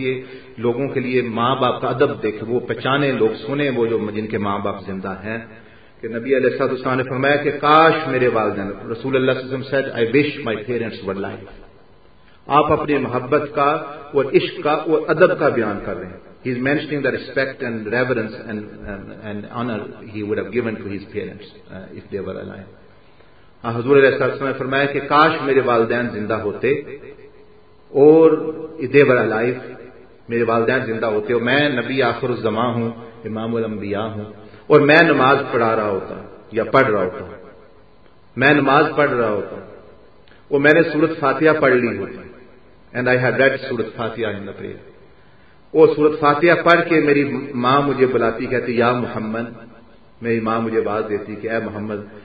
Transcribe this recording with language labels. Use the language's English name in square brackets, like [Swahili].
[Urdu] یہ لوگوں کے لیے ماں باپ کا ادب دیکھے، وہ پہچانے لوگ سنیں وہ جو جن کے ماں باپ زندہ ہیں، کہ نبی علیہ الصلوۃ والسلام نے فرمایا کہ کاش میرے والدین، رسول اللہ صلی اللہ علیہ وسلم [English] said I wish my parents were alive. [Urdu] آپ اپنی محبت کا اور عشق کا اور ادب کا بیان کر رہے ہیں. [English] He is mentioning the respect and reverence and honor he would have given to his parents if they were alive. [Urdu] حضور علیہ الصلوۃ والسلام نے فرمایا کہ کاش میرے والدین زندہ ہوتے اور [English] they were alive، [Urdu] میرے والدین زندہ ہوتے اور میں نبی آخر الزمان ہوں، امام الانبیاء ہوں، اور میں نماز پڑھا رہا ہوتا یا پڑھ رہا ہوتا، میں نماز پڑھ رہا ہوتا اور میں نے سورۃ فاتحہ پڑھ لی ہوتی، [English] and I had read surah Fatiha in the prayer, [Urdu] وہ سورۃ فاتحہ پڑھ کے میری ماں مجھے بلاتی کہتی یا محمد، میری ماں مجھے آواز دیتی کہ اے محمد،